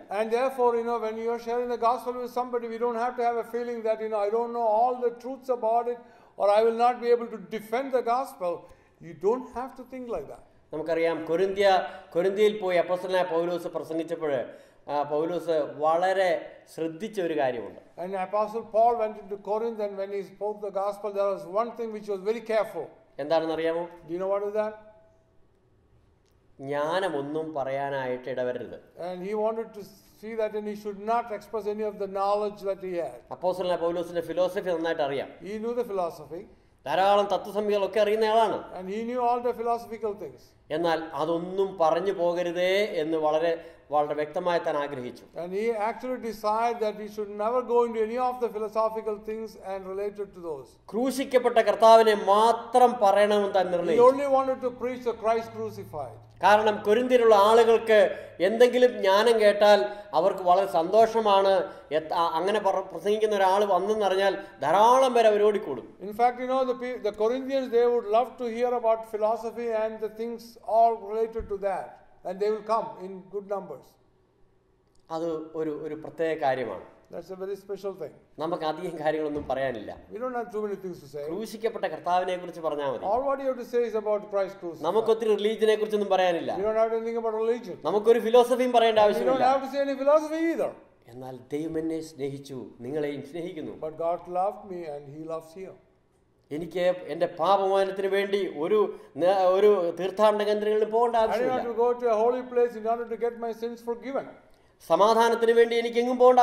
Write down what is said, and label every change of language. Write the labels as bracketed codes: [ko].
[en] And therefore you know when you are sharing the gospel with somebody we don't have to have a feeling that you know I don't know all the truths about it or I will not be able to defend the gospel. You don't have to think like that. [ml] നമുക്കറിയാം കൊരിന്ത്യയിൽ പോയി അപ്പോസ്തലനായ പൗലോസ് പ്രസംഗിച്ചപ്പോൾ പൗലോസ് വളരെ ശ്രദ്ധിച്ച ഒരു കാര്യമുണ്ട്. [en] And apostle Paul went into Corinth and when he spoke the gospel there was one thing which was very careful. [ml] എന്താണെന്ന് അറിയാമോ? [en] Do you know what is that? [ml] ജ്ഞാനം ഒന്നും പറയാനായിട്ട് ഇടവരരുത്. [en] And he wanted to see that and he should not express any of the knowledge that he had. [ml] അപ്പോസ്തലനായ പൗലോസിന്റെ philosophy നന്നായിട്ട് അറിയാം. [en] He knew the philosophy. [ml] ധാരാളം തത്വസംഹിതകളൊക്കെ അറിയുന്ന ആളാണ്. [en] And he knew all the philosophical things. [ml] എന്നാൽ അതൊന്നും പറഞ്ഞു പോകരുതേ എന്ന് വളരെ വ്യക്തമായി താൻ ആഗ്രഹിച്ചു. [en] And he actually decided that he should never go into any of the philosophical things and related to those. [ml] ക്രൂശിക്കപ്പെട്ട കർത്താവിനെ മാത്രം പറയണമെന്ന് താൻ നിർണയിച്ചു. [en] He only wanted to preach the Christ crucified. [ml] കാരണം കൊരിന്തിലുള്ള ആളുകൾക്ക് എന്തെങ്കിലും ജ്ഞാനം കേട്ടാൽ അവർക്ക് വളരെ സന്തോഷമാണ്, അങ്ങനെ പ്രസംഗിക്കുന്ന ഒരാൾ വന്നെന്ന് അറിഞ്ഞാൽ ധാരാളം പേർ അവരോടി കൂടും. [en] In fact you know the Corinthians they would love to hear about philosophy and the things all related to that and they will come in good numbers. [ml] അത് ഒരു പ്രത്യേക കാര്യമാണ്. [en] That's a very special thing. [ml] നമുക്ക് അധികം കാര്യങ്ങളൊന്നും പറയാനില്ല. [en] We don't have too many things to say. [ml] ക്രൂശിക്കപ്പെട്ട കർത്താവിനെ കുറിച്ച് പറഞ്ഞാൽ മതി. [en] All what you have to say is about Christ crucified. [ml] നമുക്ക് ഒത്തിരി റിലീജിയനെ കുറിച്ചൊന്നും പറയാനില്ല. [en] We don't have anything about religion. [ml] നമുക്ക് ഒരു ഫിലോസഫിയും പറയേണ്ട ആവശ്യമില്ല. [en] We don't have to say any philosophy either. [ml] എന്നാൽ ദൈവം എന്നെ സ്നേഹിച്ചു, നിങ്ങളെയും സ്നേഹിക്കുന്നു. [en] But God loved me and he loves you. [ml] എനിക്ക് എന്റെ പാപമോചനത്തിന് വേണ്ടി ഒരു ഒരു തീർത്ഥാടന കേന്ദ്രങ്ങളിൽ പോകേണ്ട ആവശ്യമില്ല. സമാധാനത്തിന് വേണ്ടി എനിക്ക് എങ്ങും പോകേണ്ട